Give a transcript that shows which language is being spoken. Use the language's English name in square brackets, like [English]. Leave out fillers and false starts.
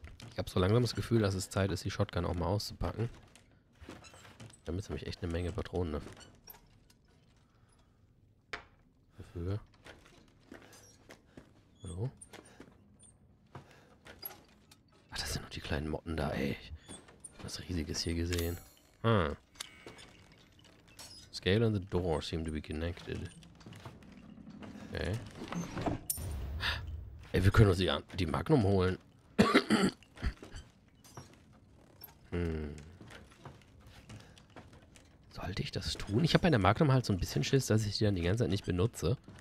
[German] Ich habe so langsam das Gefühl, dass es Zeit ist, die Shotgun auch mal auszupacken. Damit habe ich echt eine Menge Patronen dafür. Hallo? Ach, das sind noch die kleinen Motten da, ey. Ich hab was Riesiges hier gesehen. [English] Scale and the door seem to be connected. [German] Okay. Ey, wir können uns die Magnum holen. Sollte ich das tun? Ich habe bei der Magnum halt so ein bisschen Schiss, dass ich die dann die ganze Zeit nicht benutze.